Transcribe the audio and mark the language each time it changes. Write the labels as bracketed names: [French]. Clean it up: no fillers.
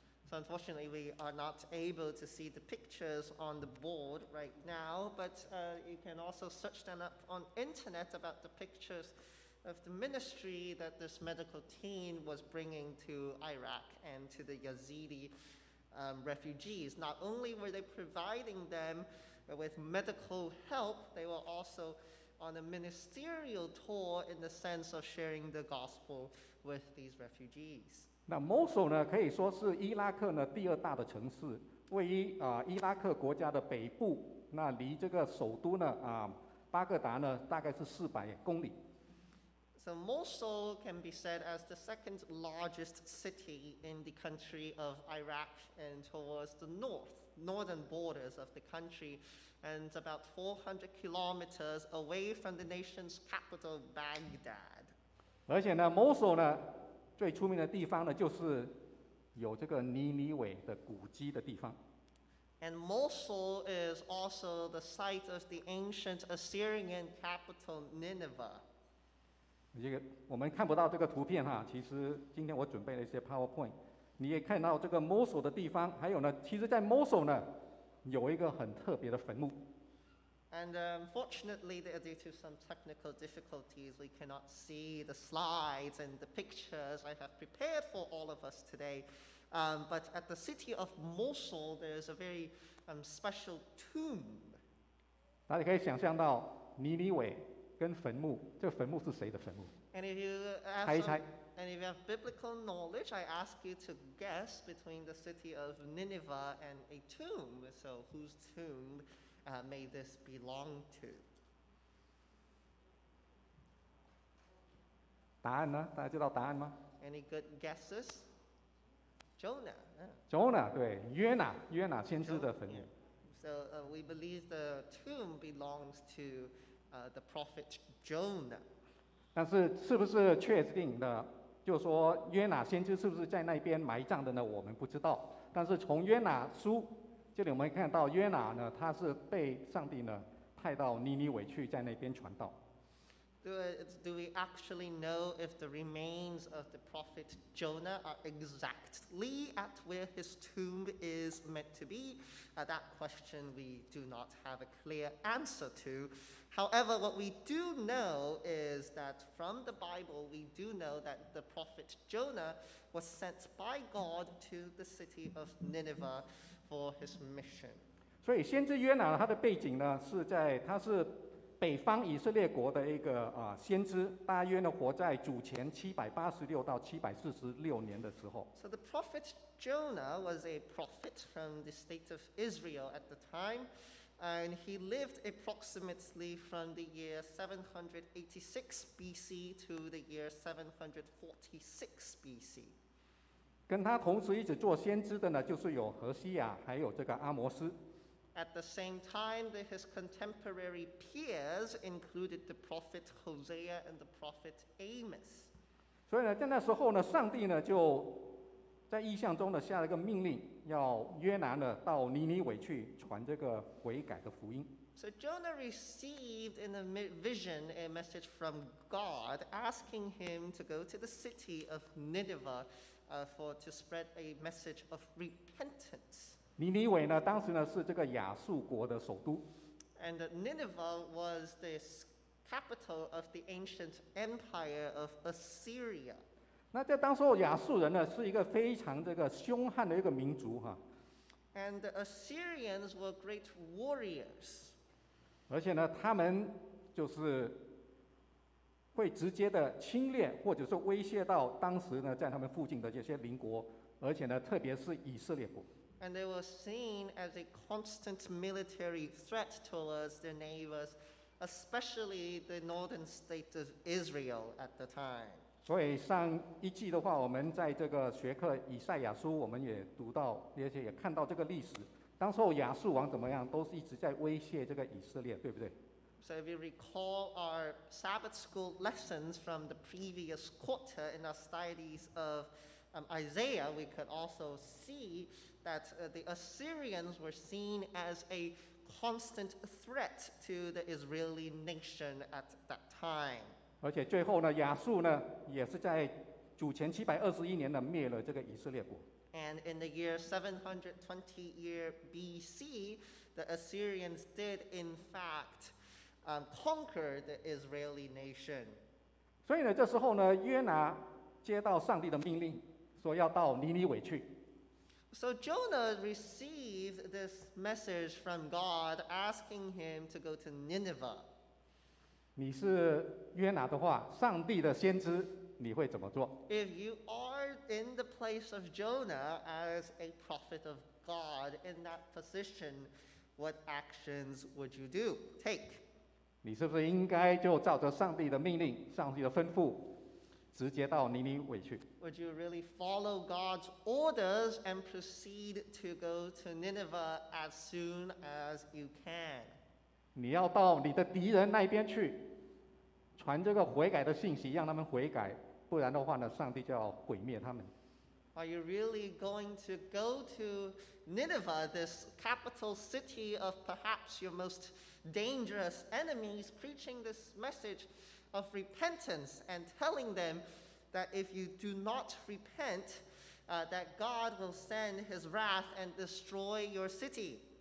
[English] So unfortunately, we are not able to see the pictures on the board right now, but you can also search them up on internet about the pictures of the ministry that this medical team was bringing to Iraq and to the Yazidi refugees. Not only were they providing them with medical help, they were also on a ministerial tour in the sense of sharing the gospel with these refugees. [Chinese] 那 Mosul 呢，可以说是伊拉克呢第二大的城市，位于伊拉克国家的北部，那离这个首都呢巴格达呢大概是400公里。So [English] Mosul can be said as the second largest city in the country of Iraq and towards the northern borders of the country, and about 400 kilometers away from the nation's capital Baghdad. [Chinese] 而且呢 ，Mosul 呢。最出名的地方呢，就是有这个尼尼微的古迹的地方。 [English] And Mosul is also the site of the ancient Assyrian capital Nineveh. [Chinese] 我们看不到这个图片哈，其实今天我准备了一些 PowerPoint， 你也看到这个 Mosul 的地方，还有呢，其实在 Mosul 呢，有一个很特别的坟墓。 [English] And unfortunately, due to some technical difficulties, we cannot see the slides and the pictures I have prepared for all of us today. But at the city of Mosul, there is a very special tomb. [Chinese] 大家可以想象到尼尼微跟坟墓，这坟墓是谁的坟墓？ [English] And if you have biblical knowledge, I ask you to guess between the city of Nineveh and a tomb. So whose tomb may this belong to? [Chinese] 答案呢？大家知道答案吗？ [English] Any good guesses? Jonah. [Chinese] Jonah, 对，约拿，约拿先知的坟墓。 [English] So we believe the tomb belongs to the prophet Jonah. [Chinese] 但是是不是确定的？就说约拿先知是不是在那边埋葬的呢？我们不知道。但是从约拿书这里我们看到约拿呢，他是被上帝呢派到尼尼微去，在那边传道。 [English] Do we actually know if the remains of the prophet Jonah are exactly at where his tomb is meant to be? That question we do not have a clear answer to. However, what we do know is that from the Bible, we do know that the prophet Jonah was sent by God to the city of Nineveh for his mission. [Chinese] 所以先知约拿他的背景呢，是在他是北方以色列国的一个先知，大约呢活在主前786到746年的时候。 [English] So the prophet Jonah was a prophet from the state of Israel at the time, and he lived approximately from the year 786 BC to the year 746 BC. [Chinese] 跟他同时一起做先知的呢，就是有何西亚，还有这个阿摩斯。 [English] At the same time, his contemporary peers included the prophet Hosea and the prophet Amos. [Chinese] 所以呢，在那时候呢，上帝呢就在异象中呢下了一个命令，要约拿呢到尼尼微去传这个悔改的福音。 [English] So Jonah received in a vision a message from God asking him to go to the city of Nineveh to spread a message of repentance. [Chinese] 尼尼微呢，当时呢是这个亚述国的首都。 [English] And Nineveh was the capital of the ancient empire of Assyria. [Chinese] 那在当时候，亚述人呢是一个非常这个凶悍的一个民族哈。 [English] And the Assyrians were great warriors. [Chinese] 而且呢，他们就是会直接的侵略，或者是威胁到当时呢在他们附近的这些邻国，而且呢，特别是以色列国。 [English] And they were seen as a constant military threat towards their neighbors, especially the northern state of Israel at the time. [Chinese] 所以上一季的话，我们在这个学课以赛亚书，我们也读到，而且也看到这个历史。当时候亚述王怎么样，都是一直在威胁这个以色列，对不对？ [English] So if you recall our Sabbath school lessons from the previous quarter in our studies of Isaiah, we could also see that the Assyrians were seen as a constant threat to the Israeli nation at that time. [Chinese] 而且最后呢，亚述呢也是在主前721年呢灭了这个以色列国。 [English] And in the year 720 year BC, the Assyrians did in fact conquer the Israeli nation. [Chinese] 所以呢，这时候呢，约拿接到上帝的命令，说要到尼尼微去。 [English] So Jonah received this message from God asking him to go to Nineveh. [Chinese] 你是约拿的话，上帝的先知，你会怎么做？ [English] If you are in the place of Jonah as a prophet of God in that position, what actions would you do? Take. [Chinese] 你是不是应该就照着上帝的命令，上帝的吩咐，直接到尼尼微去？ [English] Would you really follow God's orders and proceed to go to Nineveh as soon as you can? [Chinese] 你要到你的敌人那边去，传这个悔改的信息，让他们悔改，不然的话呢，上帝就要毁灭他们。 [English] Are you really going to go to Nineveh, this capital city of perhaps your most dangerous enemies, preaching this message of repentance and telling them that if you do not repent, that God will send his wrath and destroy your city?